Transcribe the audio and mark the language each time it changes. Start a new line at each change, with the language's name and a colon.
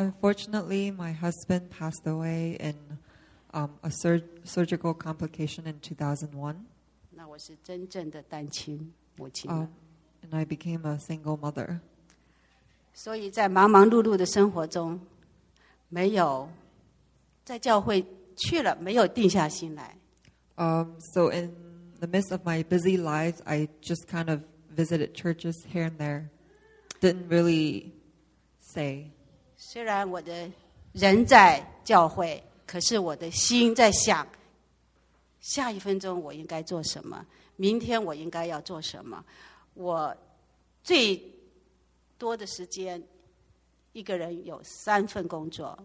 English: Unfortunately, my husband passed away in a surgical complication in 2001.
Chinese: 那我是真正的单亲。
English: And I became a single mother.
Chinese: 所以在忙忙碌碌的生活中，没有在教会去了，没有定下心来。
English: So in the midst of my busy life, I just kind of visited churches here and there. Didn't really say.
Chinese: 虽然我的人在教会，可是我的心在想，下一分钟我应该做什么。明天我应该要做什么？我最多的时间一个人有3份工作。